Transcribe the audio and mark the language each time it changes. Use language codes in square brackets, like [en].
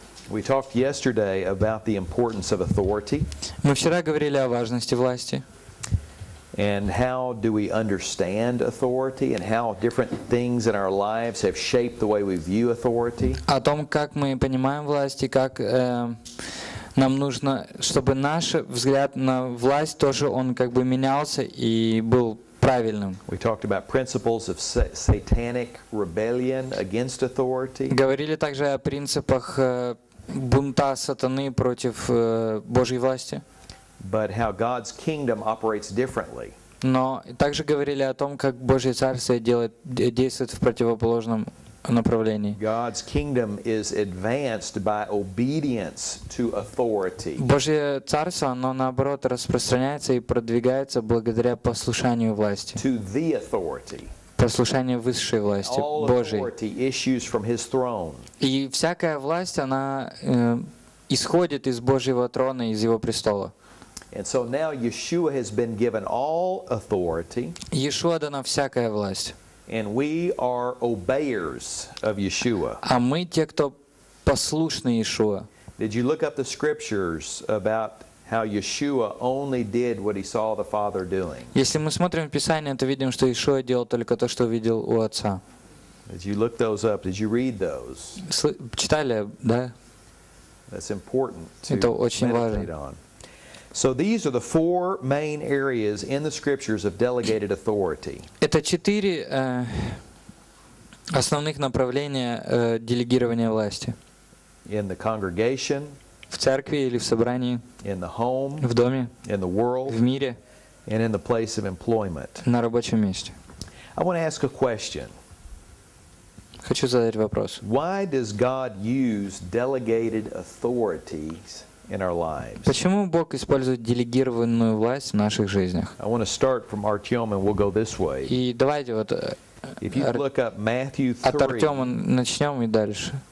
[en] We talked yesterday about the importance of authority. [ru] Мы вчера говорили о важности власти. [en] And how do we understand authority and how different things in our lives have shaped the way we view authority? [ru] О том, как мы понимаем власть и как нам нужно, чтобы наш взгляд на власть тоже он как бы менялся и был правильным. [en] We talked about principles of satanic rebellion against authority. [ru] Говорили также о принципах бунта сатаны против Божьей власти. [en] But how God's kingdom operates differently. [ru] Но также говорили о том, как Божье царство действует в противоположном направлении. [en] God's kingdom is advanced by obedience to authority. [ru] Божье царство, оно наоборот распространяется и продвигается благодаря послушанию власти. [en] To the authority. [ru] Послушание высшей власти, Божьей. [en] All authority issues from his throne. [ru] И всякая власть, она исходит из Божьего трона, из его престола. [en] And so now Yeshua has been given all authority. [ru] Yeshua дана всякая власть. [en] And we are obeyers of Yeshua. [ru] А мы те, кто послушны Yeshua. [en] Did you look up the scriptures about how Yeshua only did what he saw the Father doing? [ru] Если мы смотрим в Писание, то видим, что Yeshua делал только то, что видел у Отца. [en] Did you look those up? Did you read those? [ru] Читали, да? [en] That's important to meditate on. [ru] Это очень важно. [en] So these are the four main areas in the scriptures of delegated authority. [ru] Это четыре основных направления делегирования власти. [en] In the congregation, [ru] в церкви или в собрании, [en] in the home, [ru] в доме, [en] in the world, [ru] в мире, [en] and in the place of employment. [ru] На рабочем месте. [en] I want to ask a question. [ru] Хочу задать вопрос. [en] Why does God use delegated authorities? In our lives. [ru] Почему Бог использует делегированную власть в наших жизнях? [en] I want to start from Artyom and we'll go this way. [ru] И давайте вот [en] If you look up Matthew 3. [ru] От Артёма начнём и дальше.